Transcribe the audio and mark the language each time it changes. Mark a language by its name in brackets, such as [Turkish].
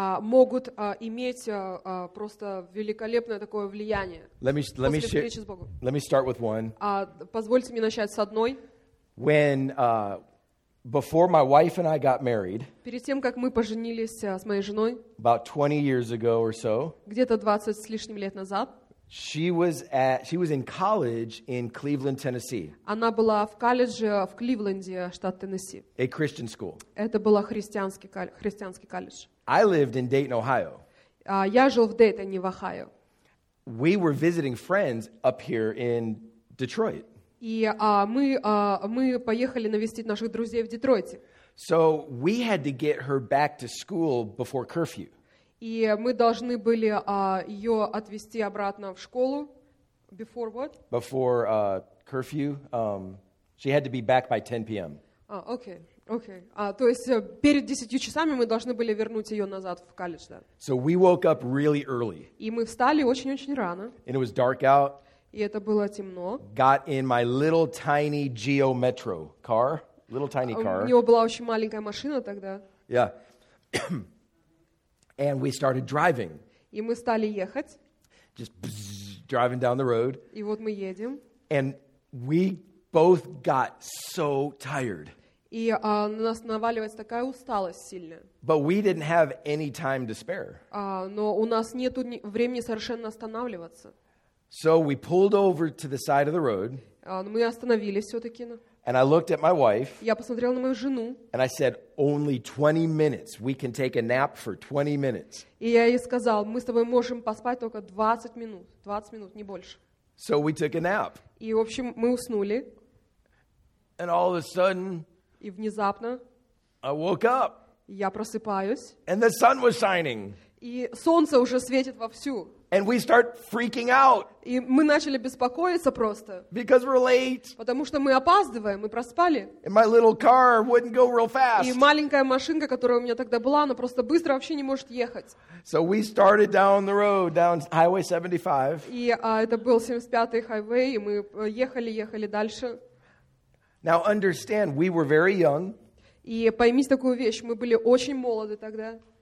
[Russian] Могут иметь просто великолепное такое влияние. [English] Let me start with one. [Russian] Позвольте мне начать с одной. [English] When before my wife and I got married. [Russian] Перед тем как мы поженились с моей женой. [English] About 20 years ago or so. [Russian] Где-то 20 с лишним лет назад. [English] She was in college in Cleveland, Tennessee. [Russian] Она была в колледже в Кливленде, штат Теннесси. [English] A Christian school. [Russian] Это был христианский колледж. [English] I lived in Dayton, Ohio. [Russian] Я жил в Дейтоне, в Охайо. [English] We were visiting friends up here in Detroit. [Russian] И мы поехали навестить наших друзей в Детройте. [English] So we had to get her back to school before curfew. [Russian] И мы должны были ее отвезти обратно в школу. [English] Before what? Before curfew. She had to be back by 10 p.m. Okay. [Russian] То есть перед 10 часами мы должны были вернуть ее назад в колледж. Да. [English] So we woke up really early. [Russian] И мы встали очень-очень рано. [English] And it was dark out. [Russian] И это было темно. [English] Got in my little tiny Geo Metro car. Little tiny car. [Russian] У него была очень маленькая машина тогда. [English] Yeah. And we started driving. [Russian] И мы стали ехать. [English] Just driving down the road. [Russian] И вот мы едем. [English] And we both got so tired. [Russian] И на нас наваливается такая усталость сильная. [English] But we didn't have any time to spare. [Russian] Но у нас нету времени совершенно останавливаться. [English] So we pulled over to the side of the road. [Russian] Мы остановились все-таки. [English] And I looked at my wife. [Russian] Я посмотрел на мою жену. [English] And I said, "Only 20 minutes. We can take a nap for 20 minutes." [Russian] И я ей сказал, мы с тобой можем поспать только 20 минут. 20 минут, не больше. [English] So we took a nap. [Russian] И в общем мы уснули. [English] And all of a sudden. [Russian] И внезапно. [English] I woke up. [Russian] Я просыпаюсь. [English] And the sun was shining. [Russian] И солнце уже светит вовсю. [English] And we start freaking out. [Russian] И мы начали беспокоиться просто. [English] Because we're late. [Russian] Потому что мы опаздываем, мы проспали. [English] And my little car wouldn't go real fast. [Russian] И маленькая машинка, которая у меня тогда была, она просто быстро вообще не может ехать. [English] So we started down the road, down Highway 75. [Russian] И это был 75-й хайвей, и мы ехали дальше. [English] Now understand, we were very young. [Russian] И поймите такую вещь, мы были очень молоды тогда.